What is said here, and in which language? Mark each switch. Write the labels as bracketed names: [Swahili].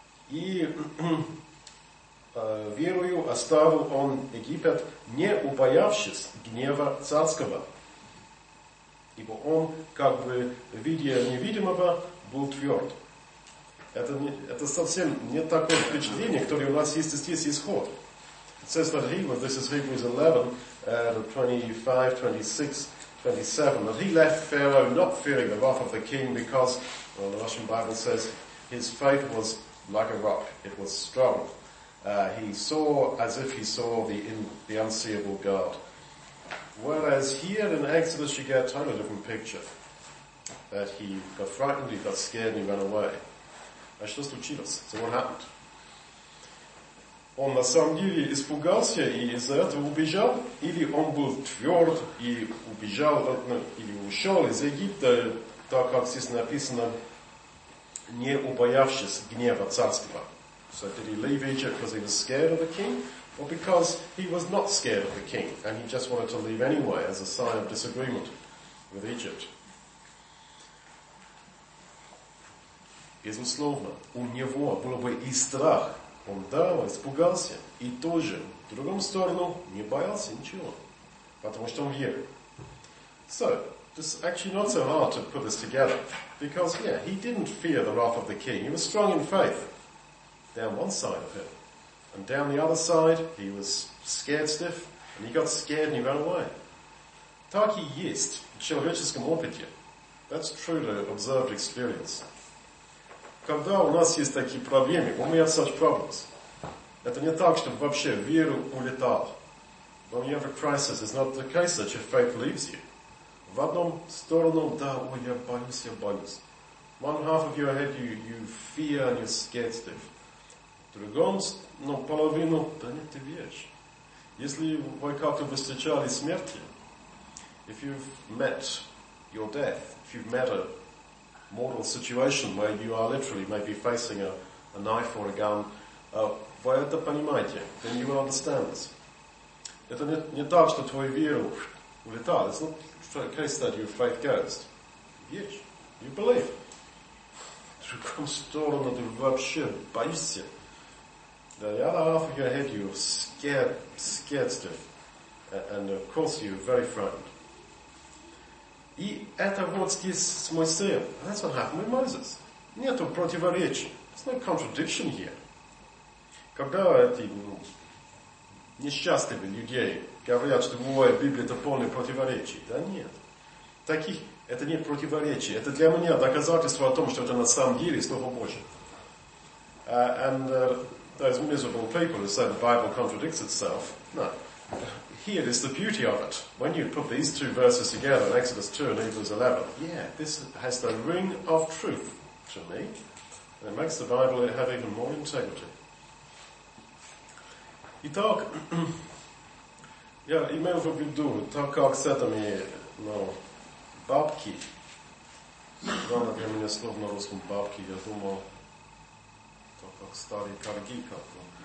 [Russian] И верою оставил он Египет, не убоявшись гнева царского. Ибо он, как бы видя невидимого, был тверд. Это совсем не такое впечатление, которое у нас есть здесь исход. [English] It says that this is Hebrews 11, 25, 26, 27, that he left Pharaoh not fearing the wrath of the king because, well, the Russian Bible says, his faith was like a rock, it was strong. He saw as if he saw the unseeable God. Whereas here in Exodus you get a totally different picture, that he got frightened, he got scared and he ran away. [Russian] А что случилось? [English] So what happened? [Russian] Он на самом деле испугался и из-за этого убежал? Или он был тверд и убежал, или ушел из Египта, так как здесь написано, не убоявшись гнева царства? [English] So did he leave Egypt because he was scared of the king? Or because he was not scared of the king, and he just wanted to leave anyway as a sign of disagreement with Egypt? [Russian] Безусловно, у него был бы и страх. Он, да, испугался и тоже, в другом сторону, не боялся ничего, потому что он верил. [English] So, it's actually not so hard to put this together, because, yeah, he didn't fear the wrath of the king. He was strong in faith, down one side of him. And down the other side, he was scared stiff, and he got scared and he ran away. [Russian] Так и есть в человеческом опыте. [English] That's true to observed experience. [Russian] Когда у нас есть такие проблемы, [English] when we have such problems, [Russian] это не так, чтобы вообще веру улетал. [English] When you have a crisis, it's not the case that your faith leaves you. [Russian] В одну сторону, да, ой, я боюсь. [English] One half of your head, you fear and you're scared stiff. [Russian] В другом, но половину, да нет, ты веришь. Если вы как-то встречали смерти, [English] if you've met your death, if you've met a mortal situation where you are literally maybe facing a knife or a gun, [Russian] вы это понимаете, [English] then you will understand this. [Russian] Это не так, что твою веру улетал. [English] It's not the case that your faith goes. Yes, you believe. [Russian] Другую сторону ты вообще боишься. [English] The other half of your head you're scared stiff. And of course you're very frightened. [Russian] И это вот здесь с Моисеем. [English] That's what happened with Moses. [Russian] Нету противоречия. [English] There's no contradiction here. [Russian] Когда эти несчастные людей говорят, что ой, Библия это полная противоречия. Да нет. Таких это не противоречие. Это для меня доказательство о том, что это на самом деле Слово Божие. [English] Those miserable people who say the Bible contradicts itself. No. Here is the beauty of it. When you put these two verses together, Exodus 2 and Hebrews 11, yeah, this has the ring of truth to me. And it makes the Bible have even more integrity. Итак, [Russian] Я имею в виду, так как с этими, ну, бабки, странно для меня слово на русском бабки, я думал, так как старые карги как-то.